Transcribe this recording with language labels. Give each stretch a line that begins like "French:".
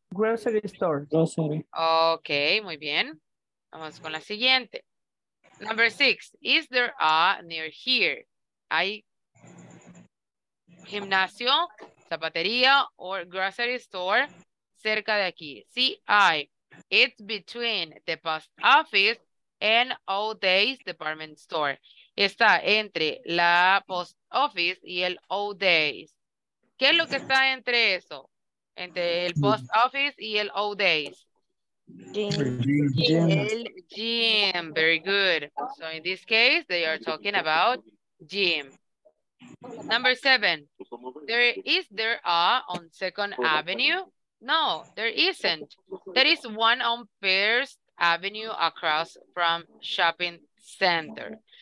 English: Grocery stores.
Spanish: Ok, muy bien. Vamos con la siguiente.
English: Number six. Is there a near here?
Spanish: ¿Hay gimnasio, zapatería,
English: or grocery store
Spanish: cerca de aquí? Sí, hay.
English: It's between the post office and Old Days department store.
Spanish: Está entre la post office y el Old Days. ¿Qué es lo que está entre eso? Entre el post office y el Old Days.
English: Gym. El gym. Very good. So in this case, they are talking about gym. Number seven. There is there a on Second Avenue? No, there isn't. There is one on First Avenue across from shopping center.